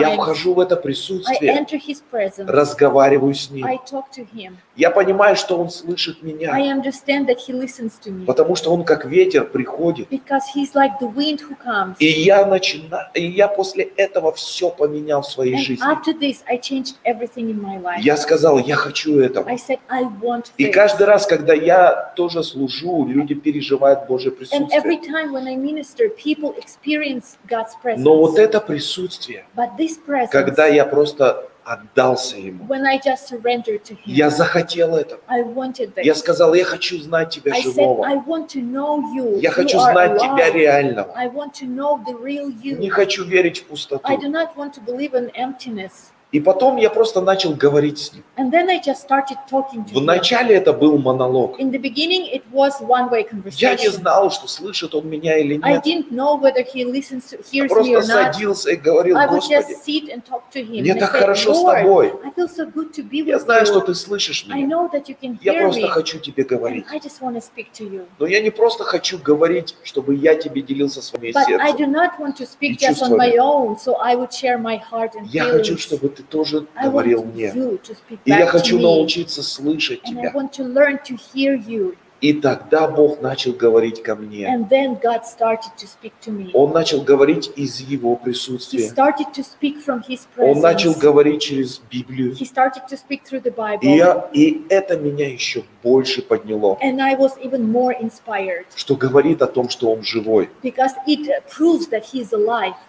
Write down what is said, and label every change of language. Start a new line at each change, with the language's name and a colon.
Russian: я вхожу в это присутствие,
English: I enter his presence,
Russian: разговариваю с ним.
English: I talk to him.
Russian: Я понимаю, что он слышит меня.
English: I understand that he listens to me.
Russian: Потому что он как ветер приходит.
English: Because he's like the wind who comes.
Russian: И я после этого все поменял в своей
English: and
Russian: жизни.
English: After this, I changed everything in my life.
Russian: Я сказал, я хочу этого.
English: I said, I want this.
Russian: И каждый раз, когда я тоже служу, люди переживают Божье присутствие.
English: And every time when I minister, people experience God's presence.
Russian: Но вот это присутствие,
English: but this presence,
Russian: когда я просто отдался ему.
English: When I just surrendered to him.
Russian: Я захотел этого.
English: I wanted this.
Russian: Я сказал, я хочу знать тебя живого.
English: I said, I want to know you.
Russian: Я хочу знать тебя реального.
English: I want to know the real you.
Russian: Не хочу верить в пустоту.
English: I do not want to believe in emptiness.
Russian: И потом я просто начал говорить с ним.
English: And then I just started talking to him.
Russian: Вначале это был монолог.
English: In the beginning it was one-way conversation.
Russian: Я не знал, что слышит он меня или нет.
English: I didn't know whether he listens, hears me or not.
Russian: Я просто садился и говорил, Господи.
English: I would just sit and talk to him.
Russian: Мне так хорошо с тобой.
English: I feel so good to be with you.
Russian: Я знаю, что ты слышишь меня.
English: I know that you can hear me.
Russian: Я просто хочу тебе говорить.
English: And I just want to speak to you.
Russian: Но я не просто хочу говорить, чтобы я тебе делился своим сердцем.
English: But I do not want to speak just on my own, so I would share my heart and feelings.
Russian: Я хочу, чтобы ты тоже говорил мне. И я хочу научиться слышать тебя.
English: I want to learn to hear you.
Russian: И тогда Бог начал говорить ко мне.
English: And then God started to speak to me.
Russian: Он начал говорить из его присутствия.
English: He started to speak from his presence.
Russian: Он начал говорить через Библию.
English: He started to speak through the Bible.
Russian: И это меня еще больше подняло.
English: And I was even more inspired.
Russian: Что говорит о том, что он живой.
English: Because it proves that he is alive.